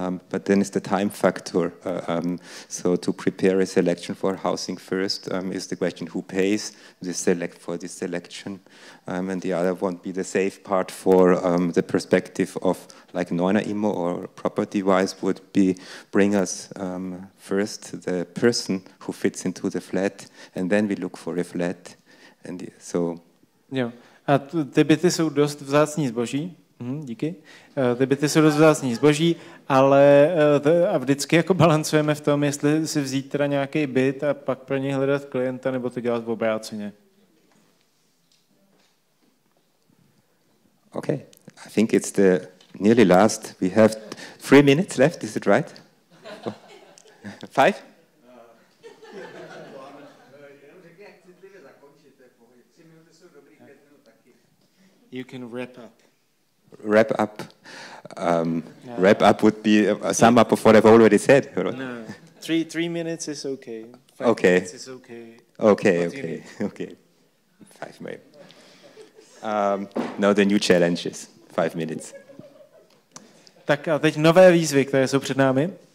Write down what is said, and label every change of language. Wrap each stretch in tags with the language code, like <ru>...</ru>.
<en>But then it's the time factor. So to prepare a selection for housing first is the question: who pays for this selection? And the other won't be the safe part for the perspective of like Neuner Immo or property wise would be bring us first the person who fits into the flat, and then we look for a flat. And so. Yeah, and</en> <cs>ty byty jsou dost vzácný zboží. Díky. Ty byty jsou dost vzácný zboží, ale a vždycky jako balancujeme v tom, jestli si vzít teda nějaký byt a pak pro něj hledat klienta, nebo to dělat v obráceně.</cs> <en>Okay, I think it's the nearly last. We have 3 minutes left, is it right? Oh. Five? You can wrap up. Wrap up. Yeah. Wrap up would be a sum up of what I've already said. No, three minutes is okay. Five minutes is okay. Okay. 5 minutes. No, the new challenge is 5 minutes.</en> <cs>Tak a teď nové výzvy, které jsou před námi.</cs>